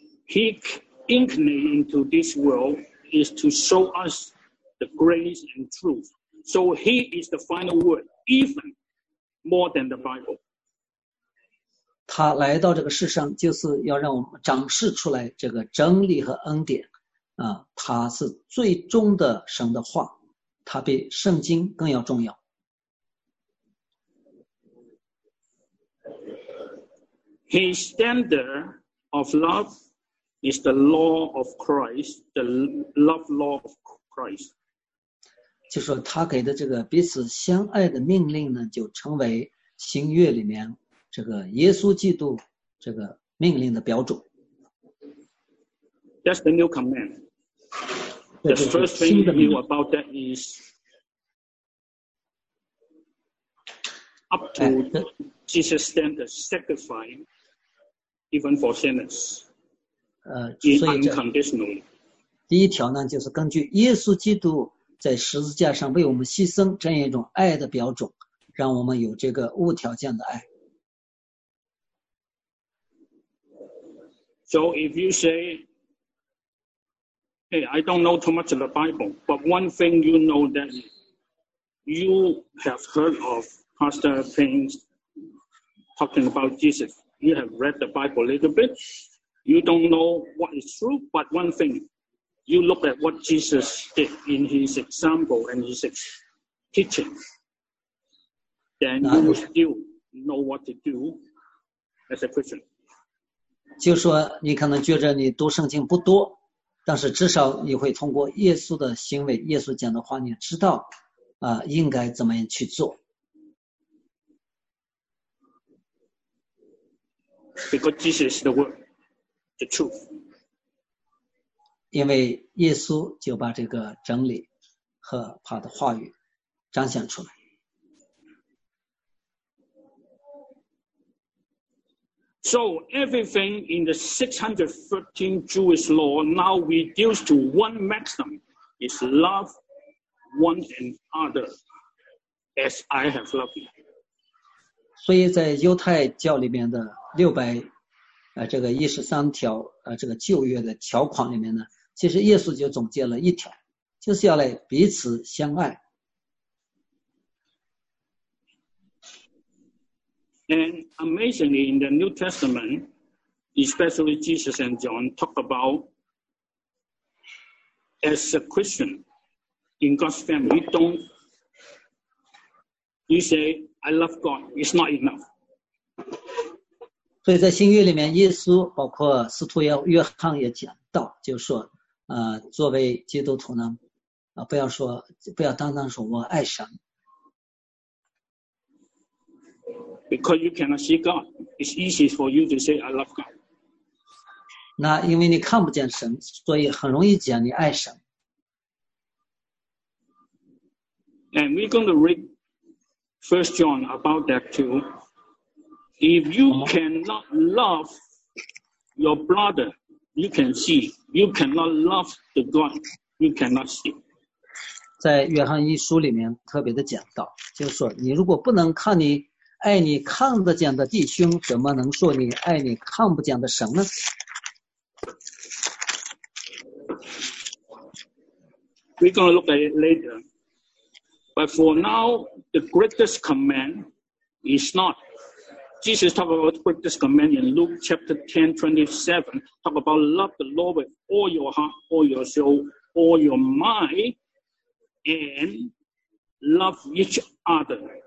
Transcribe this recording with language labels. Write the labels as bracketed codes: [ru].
[en] He incarnated into this world is to show us the grace and truth. So he is the final word, even more than the Bible. [zh] 他来到这个世上就是要让我们展示出来这个真理和恩典。啊，他是最终的神的话，他比圣经更要重要。 [en] His standard of love is the law of Christ, the love law of Christ. [zh] 就说他给的这个彼此相爱的命令呢，就成为新约里面这个耶稣基督这个命令的标准。 [en] That's the new command. The first thing you knew about that is up to Jesus' standard, sacrifice even for sinners. Unconditionally. [zh] 第一条呢，就是根据耶稣基督在十字架上为我们牺牲这样一种爱的标准，让我们有这个无条件的爱。 [en] So if you say, hey, I don't know too much of the Bible, but one thing you know that you have heard of Pastor Payne talking about Jesus, you have read the Bible a little bit, you don't know what is true, but one thing, you look at what Jesus did in his example and his teaching, then you will still know what to do as a Christian. [zh] 就说你可能觉着你读圣经不多，但是至少你会通过耶稣的行为，耶稣讲的话，你知道啊、应该怎么样去做。 [en] Because Jesus is the word, the truth. [zh] 因为耶稣就把这个真理和他的话语彰显出来。 [en] So everything in the 613 Jewish law now reduced to one maxim is love one another as I have loved you. [zh] 所以在犹太教里面的613条这个旧约的条款里面呢，其实耶稣就总结了一条，就是要来彼此相爱。 [en] And amazingly, in the New Testament, especially Jesus and John talk about as a Christian in God's family, you say, I love God, it's not enough. [zh] 所以在新约里面，耶稣包括使徒约翰也讲到，就是说，作为基督徒呢，不要单单说我爱神。 [en] Because you cannot see God, it's easy for you to say, I love God. [zh] 那因为你看不见神，所以很容易讲你爱神。 [en] And we're going to read 1 John about that too. If you cannot love your brother, you can see. You cannot love the God, you cannot see. [zh] 在约翰一书里面特别的讲到，就是说你如果不能看你爱你看得见的弟兄，怎么能说你爱你看不见的神呢？ [en] We're going to look at it later. But for now, the greatest command is not. Jesus talked about the greatest command in Luke chapter 10:27. Talk about love the Lord with all your heart, all your soul, all your mind, and love each other.